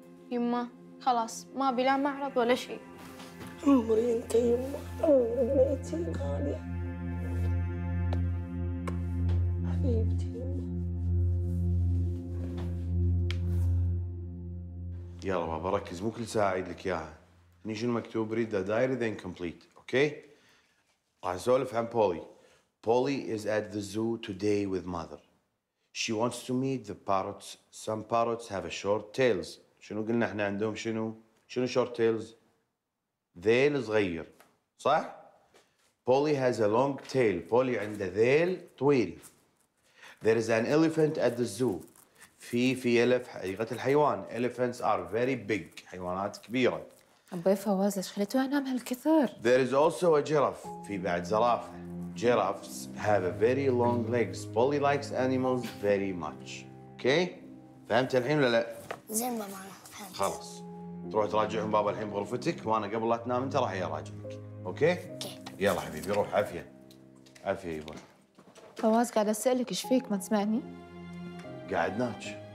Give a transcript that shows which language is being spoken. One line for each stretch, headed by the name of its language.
Arabic: يما خلاص ما بلا معرض ولا شيء. عمري انت يما، عمري بنيتي الغالية حبيبتي يما. يلا ما بركز، مو كل ساعة اعيد لك اياها. هني شنو مكتوب؟
English: read the diary then complete.
Arabic: اوكي راح اسولف عن بولي.
English: Polly is at the zoo today with mother. She wants to meet the parrots. Some parrots have a short tails.
Arabic: شنو قلنا احنا عندهم شنو؟ شنو short tails؟ ذيل صغير صح؟
English: Polly has a long tail.
Arabic: Polly عنده ذيل طويل.
English: There is an elephant at the zoo.
Arabic: في فيلة في حديقة الحيوان.
English: Elephants are very big.
Arabic: حيوانات كبيرة. أبوي فواز ليش خليته ينام هالكثر؟
English: There is also a giraffe.
Arabic: في بعد زرافة.
English: Giraffes have a very long legs. Polly likes animals very much.
Arabic: Okay؟ فهمت الحين ولا لا؟ زين ماما فهمت. خلاص تروح تراجعهم بابا الحين بغرفتك، وانا قبل لا تنام انت راح اراجعك. اوكي؟ اوكي يلا حبيبي روح. عافيه عافيه يبا. فواز قاعد اسالك ايش فيك ما تسمعني؟ قاعد ناتش.